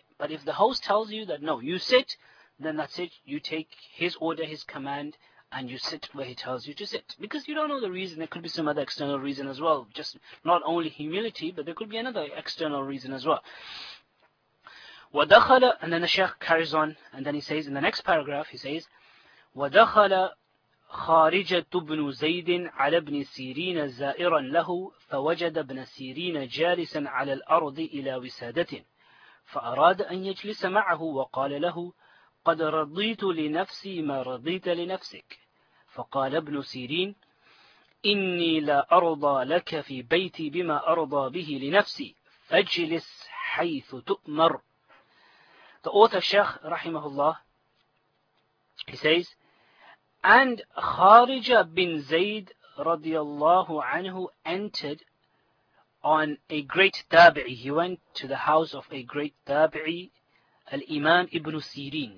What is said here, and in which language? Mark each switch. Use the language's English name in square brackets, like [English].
[English] But if the host tells you that, no, you sit, then that's it. You take his order, his command, and you sit where he tells you to sit. Because you don't know the reason. There could be some other external reason as well. Just not only humility, but there could be another external reason as well. [Arabic] وَدَخَلَ [English] And then the Shaykh carries on. And then he says, [Arabic] in the next paragraph, he says, وَدَخَلَ خَارِجَةُ بْنُ زَيْدٍ عَلَى بْنِ سِيرِينَ زَائِرًا لَهُ فَوَجَدَ بْنَ سِيرِينَ جَالِسًا عَلَى الْأَرْضِ إِلَى وِسَادَةٍ فَأَرَادَ أَنْ يَجْلِسَ مَعَهُ وَقَالَ لَهُ قد رضيت لنفسي ما رضيت لنفسك. فقال ابن سيرين إني لا أرضى لك في بيتي بما أرضى به لنفسي فاجلس حيث تؤمر. [English] The author Sheikh rahimahullah, he says, and [Arabic] خارجة بن زيد رضي الله عنه [English] entered on a great tabi'i. He went to the house of a great tabi'i, Al-Imam Ibn Sirin.